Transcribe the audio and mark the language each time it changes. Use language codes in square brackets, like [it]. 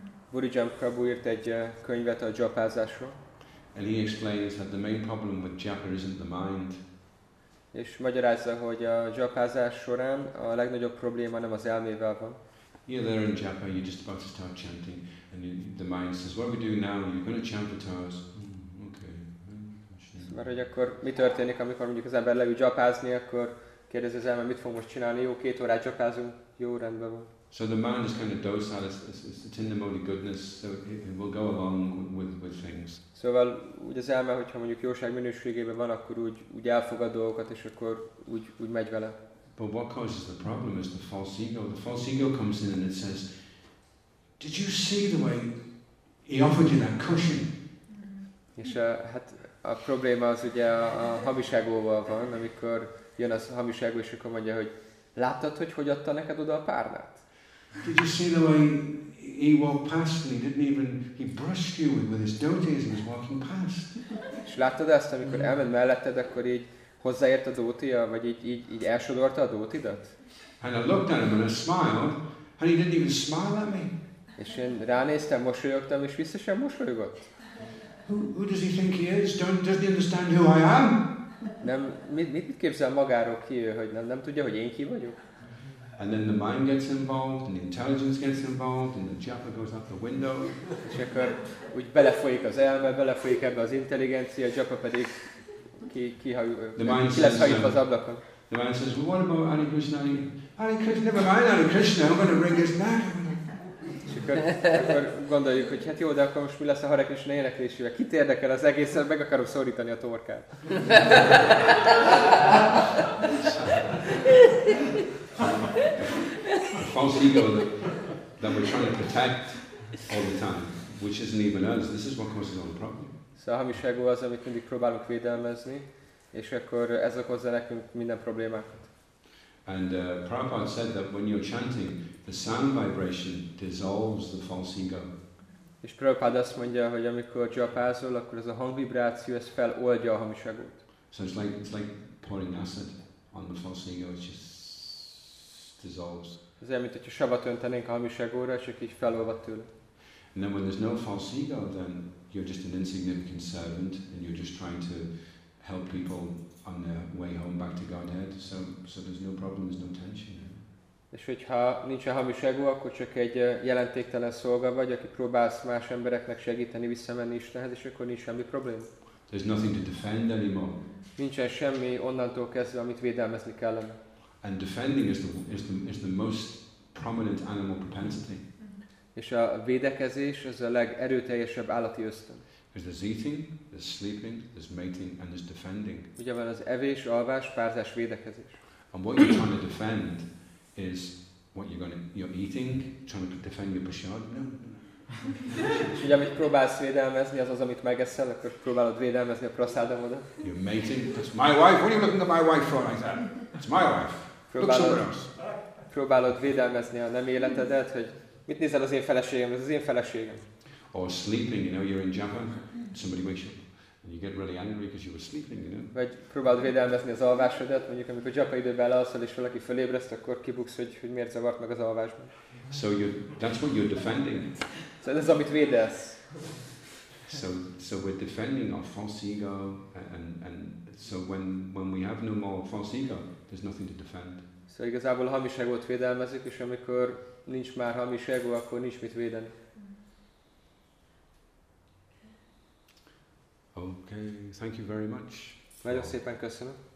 [hu] Bodhidharma Prabhu írt egy könyvet a japázásról. [en] And he explains that the main problem with japa isn't the mind. [hu] És magyarázza, hogy a japázás során a legnagyobb probléma nem az elmével van. [en] Yeah, there in japa, you're just about to start chanting, and the mind says, "What are we doing now? You're going to chant for 2 hours." Okay. [hu] Mert hogy akkor mi történik, amikor mondjuk az ember leül japázni, akkor kérdezi az elme, mit fog most csinálni? Jó, 2 órát japázunk, jó, rendben van. [en] So the mind is kind of docile, it's in the mode of goodness, so it will go along with things. [hu] Szóval úgy az elme, hogyha mondjuk jóság minőségében van, akkor úgy elfogad dolgokat, és akkor úgy megy vele. [en] But what causes the problem is the false ego. The false ego comes in and it says, "Did you see the way he offered you that cushion?" [hu] És hát a probléma az ugye a hamis egóval van, amikor jön az hamis egó, és akkor mondja, hogy láttad, hogy adta neked oda a párnát? [en] Did you see the way he walked past and he didn't even, he brushed you with his dhoti as he was walking past? [hu] És láttad ezt, amikor elment melletted, akkor így hozzáért a dhotija, vagy így elsodorta a dhotidat? [en] And I looked at him and I smiled, and he didn't even smile at me. [hu] És én ránéztem, mosolyogtam, és vissza sem mosolyogott. [en] Who does he think he is? Doesn't he understand who I am? [hu] Nem, mit képzel magáról ki ő, hogy nem tudja, hogy én ki vagyok? [en] And then the mind gets involved, and the intelligence gets involved, and the japa goes out the window. [hu] És akkor úgy belefolyik az elme, belefolyik ebbe az intelligencia, a japa pedig kihajul az ablakon. [en] The mind says, "Well, what about Hare Krishna? Hare Krishna, never mind Hare Krishna, I'm going to wring his neck." [hu] És akkor gondoljuk, hogy hát jó, de akkor most mi lesz a Hare Krishna éneklésével? Kit érdekel az egészen, meg akarom szorítani a torkát. [en] False ego that we're trying to protect all the time, which isn't even us. This is what causes all the problem. [hu] So a hamis ego az, amit mindig próbálunk védelmezni, és akkor ez okozza nekünk minden problémákat. [en] And Prabhupada said that when you're chanting, the sound vibration dissolves the false ego. [hu] És Prabhupada azt mondja, hogy amikor japázol, akkor ez a hangvibráció ez feloldja a hamis egót. [en] So it's like pouring acid on the false ego. It just dissolves. [hu] Ez olyan, mint hogyha savat öntenénk a hamis egóra, csak így felolvad tőle. [en] And then when there's no false ego, then you're just an insignificant servant, and you're just trying to help people on their way home back to Godhead. So there's no problem, there's no tension. [hu] És hogyha nincs a hamis egó, akkor csak egy jelentéktelen szolga vagy, aki próbálsz más embereknek segíteni visszamenni Istenhez, és akkor nincs semmi probléma. [en] There's nothing to defend anymore. [hu] Nincsen semmi onnantól kezdve, amit védelmezni kellene. [en] And defending is the most prominent animal propensity. [hu] És a védekezés az a legerőteljesebb állati ösztön. [en] There's eating, there's sleeping, there's mating, and there's defending. [hu] Ugye van az evés, alvás, párzás, védekezés. [en] And what you're trying to defend is what you're eating, trying to defend your prasad. No. [hu] És ugye amit próbálsz védelmezni, az amit megeszel, akkor próbálod védelmezni a prasádamodat. [en] You're mating, that's my wife, what are you looking at my wife for like that? It's my wife. [hu] Próbálod védelmezni a nem életedet, hogy mit nézel az én feleségem, ez az én feleségem. [en] Or sleeping, you know, you're in Japan, somebody wakes you up, and you get really angry because you were sleeping, you know. [hu] Vagy próbálod védelmezni az alvásodat, mondjuk amikor japa időben lealszol és valaki fölébreszt, akkor kibuksz, hogy miért zavart meg az alvásban. [en] So that's what you're defending. [hu] Szóval ez amit védelsz. [en] So we're defending our false ego, and so when we have no more false ego, there's nothing to defend. [hu] So igazából a hamis egót védelmezik, és amikor nincs már hamis egó, akkor nincs mit védeni. [en] Oh, Okay, thank you very much. [hu] Nagyon szépen köszönöm.